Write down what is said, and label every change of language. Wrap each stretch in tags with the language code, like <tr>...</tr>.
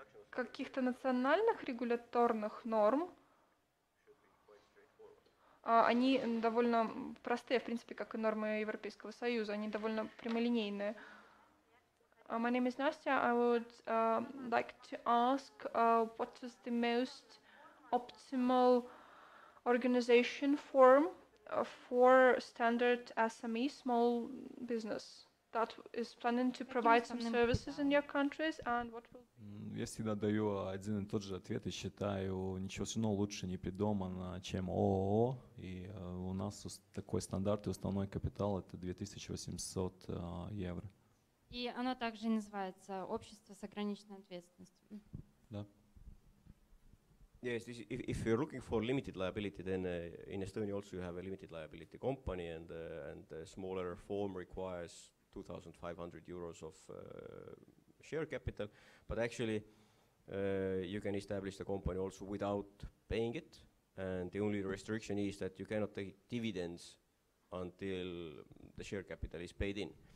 <ru>Каких-то национальных регуляторных норм, они довольно простые, в принципе, как и нормы Европейского Союза, они довольно прямолинейные.</ru> <en>My name is Nastya. I would like to ask what is the most optimal organization form for standard SME, small business, that is planning to provide some services in your countries, and what will...</en> <ru>Я всегда даю один и тот же ответ и считаю, ничего все равно лучше не придумано, чем ООО. И у нас такой стандарт и уставной капитал – это 2800 евро. И оно также называется «Общество с ограниченной ответственностью». Да.</ru> <en>Yes, this is, if you're looking for limited liability, then in Estonia also you have a limited liability company, and the smaller form requires 2,500 euros of share capital. But actually, you can establish the company also without paying it, and the only restriction is that you cannot take dividends until the share capital is paid in.</en>